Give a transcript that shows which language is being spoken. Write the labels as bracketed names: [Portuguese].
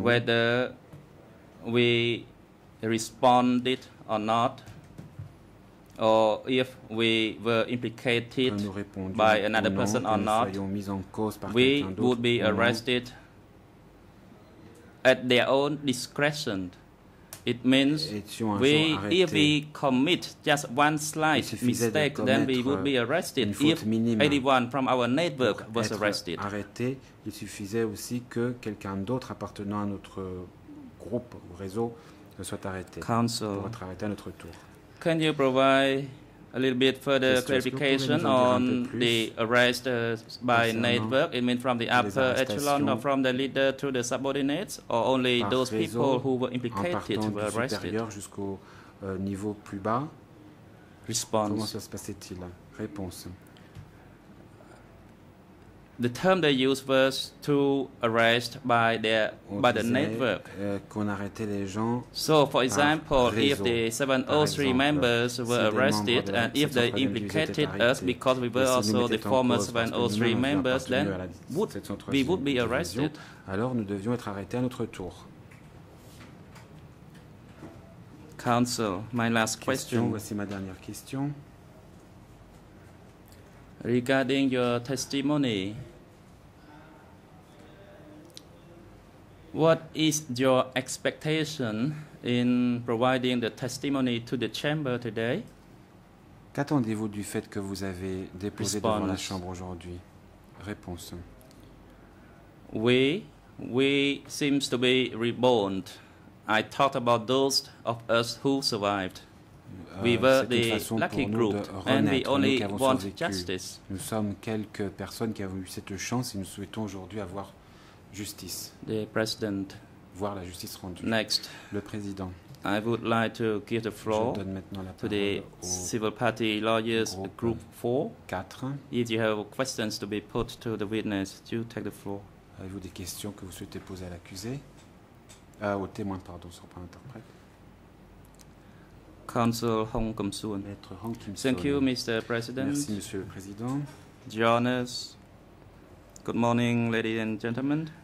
[English] whether we responded or not, or if we were implicated by another person or not, we would be arrested at their own discretion. It means if we commit just one slight mistake, then we would be arrested. If anyone from our network was arrested, [French] il suffisait aussi que quelqu'un d'autre appartenant à notre groupe ou réseau soit arrêté pour être arrêté à notre tour. [English] Can you provide a little bit further clarification on the arrest by network? It means from the upper echelon or from the leader to the subordinates, or only those people who were implicated were arrested? [French] Jusqu'au niveau plus bas. [English] Response. [French] Comment ça se passait-il? Réponse. [English] The term they used was to arrest by their by the network. [French] Qu'on arrêtait les gens. [English] So, for example, if the 703 members were arrested and if they implicated us because we were also the former 703 members, then we would be arrested. [French] Alors, nous devions être arrêtés à notre tour. [English] Counsel, my last question. [French] Voici ma dernière question. [English] Regarding your testimony, what is your expectation in providing the testimony to the chamber today? [French] Qu'attendez-vous du fait que vous avez déposé [English] Response. [French] Devant la chambre aujourd'hui? Réponse. [English] We seem to be reborn. I talked about those of us who survived. We were the lucky group, and we only want justice. [French] Nous sommes quelques personnes qui avons eu cette chance et nous souhaitons aujourd'hui avoir justice. [English] The President. [French] Voir la justice rendue. [English] Next. [French] Le Président. [English] I would like to give the floor to the Civil Party Lawyers Group 4. [French] Quatre. [English] If you have questions to be put to the witness, do you take the floor? [French] Avez-vous des questions que vous souhaitez poser à l'accusé? Au témoin, pardon, sur point d'interprète. [English] Counsel Hong Kim-soon. [French] Maître Hong Kim-soon. [English] Thank you, Mr. President. [French] Merci, Monsieur le Président. [English] Journalists. Good morning, ladies and gentlemen.